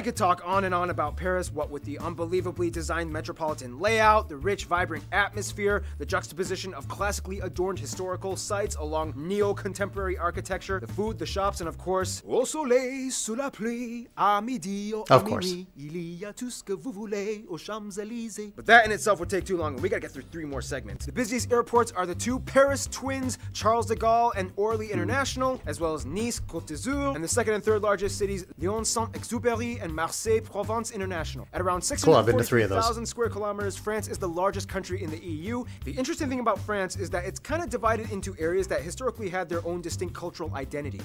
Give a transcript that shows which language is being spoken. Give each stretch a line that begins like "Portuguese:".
English: We could talk on and on about Paris, what with the unbelievably designed metropolitan layout, the rich, vibrant atmosphere, the juxtaposition of classically adorned historical sites along neo-contemporary architecture, the food, the shops, and of course,
French: au soleil, sous la pluie, à midi, au minuit, il y a tout ce que vous voulez aux Champs-Élysées.
English: But that in itself would take too long, and we gotta get through 3 more segments. The busiest airports are the two Paris twins, Charles de Gaulle and Orly International, as well as Nice, Côte d'Azur, and the second and third largest cities, Lyon-Saint-Exupéry and Marseille-Provence International. At around 643,000 square kilometers, France is the largest country in the EU. The interesting thing about France is that it's kind of divided into areas that historically had their own distinct cultural identity.